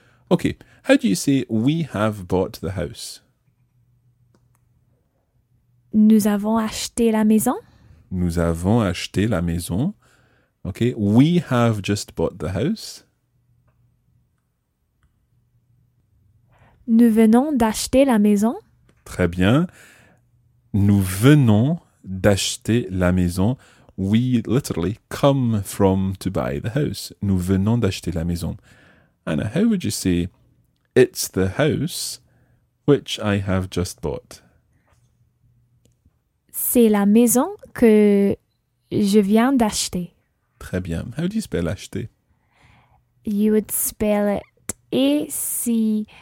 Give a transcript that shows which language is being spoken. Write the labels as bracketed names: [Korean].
[English] Okay, how do you say we have bought the house? [French] Nous avons acheté la maison. Nous avons acheté la maison. [English] Okay, we have just bought the house. [French] Nous venons d'acheter la maison. Très bien. Nous venons d'acheter la maison. [English] We literally come from to buy the house. [French] Nous venons d'acheter la maison. [English] Anna, how would you say it's the house which I have just bought? [French] C'est la maison que je viens d'acheter. Très bien. [English] How do you spell acheter? You would spell it A-C-H-E-T-E-A-K-E.